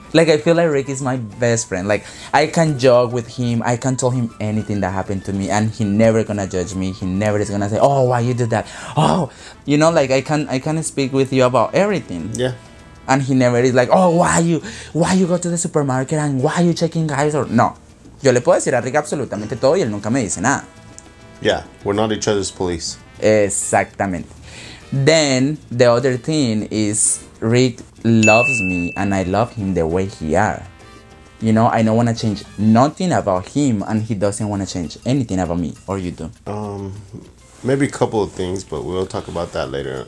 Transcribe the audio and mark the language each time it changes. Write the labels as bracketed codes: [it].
[en] Like, I feel like Rick is my best friend. Like, I can joke with him. I can tell him anything that happened to me. And he never gonna judge me. He never is gonna say, oh, why you did that? Oh, you know, like, I can speak with you about everything. Yeah. And he never is like, oh, why you go to the supermarket and why you checking guys or no. [es] Yo le puedo decir a Rick absolutamente todo y él nunca me dice nada. [en] Yeah, we're not each other's police. [es] Exactamente. [en] Then the other thing is Rick loves me and I love him the way he are. You know, I don't want to change nothing about him and he doesn't want to change anything about me or you do. Maybe a couple of things, but we'll talk about that later.